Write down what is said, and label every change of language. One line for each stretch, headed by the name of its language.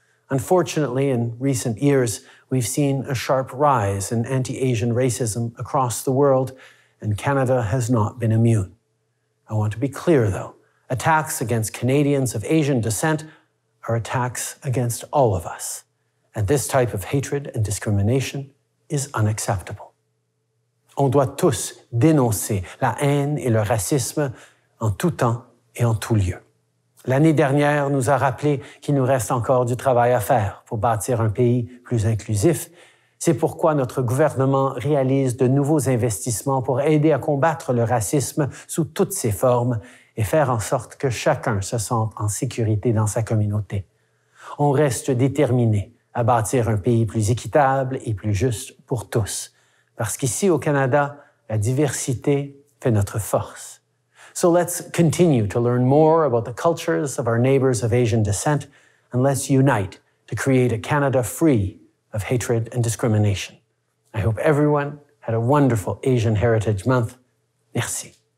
English: Unfortunately, in recent years, we've seen a sharp rise in anti-Asian racism across the world, and Canada has not been immune. I want to be clear, though. Attacks against Canadians of Asian descent are attacks against all of us. And this type of hatred and discrimination is unacceptable.
French: On doit tous dénoncer la haine et le racisme en tout temps et en tout lieu. L'année dernière nous a rappelé qu'il nous reste encore du travail à faire pour bâtir un pays plus inclusif. C'est pourquoi notre gouvernement réalise de nouveaux investissements pour aider à combattre le racisme sous toutes ses formes et faire en sorte que chacun se sente en sécurité dans sa communauté. On reste déterminé à bâtir un pays plus équitable et plus juste pour tous. Parce qu'ici au Canada, la diversité fait notre force.
English: So let's continue to learn more about the cultures of our neighbors of Asian descent, and let's unite to to create a Canada free of hatred and discrimination. I hope everyone had a wonderful Asian Heritage Month. Merci.